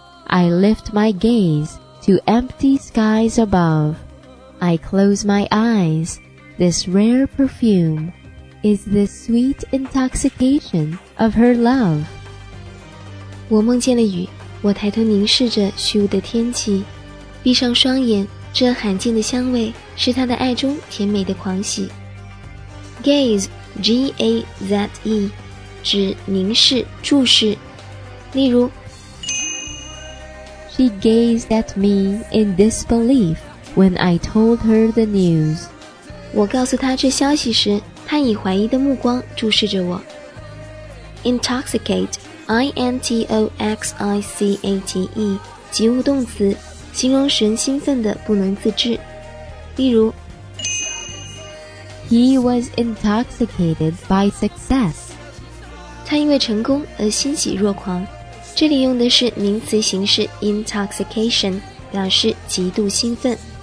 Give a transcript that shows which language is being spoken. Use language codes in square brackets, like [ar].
[en] I lift my gaze to empty skies above. I close my eyes. This rare perfume is the sweet intoxication of her love. [zh] 我梦见了雨，我抬头凝视着虚无的天气，闭上双眼，这罕见的香味是他的爱中甜美的狂喜。 Gaze G-A-Z-E 指凝视注视，例如 [en] She gazed at me in disbelief when I told her the news. [zh] 我告诉她这消息时，她以怀疑的目光注视着我。 Intoxicate I-N-T-O-X-I-C-A-T-E 及物动词，形容神兴奋的不能自制，例如 [en] He was intoxicated by success. [zh] 他因为成功而欣喜若狂。这里用的是名词形式 intoxication, 表示极度兴奋。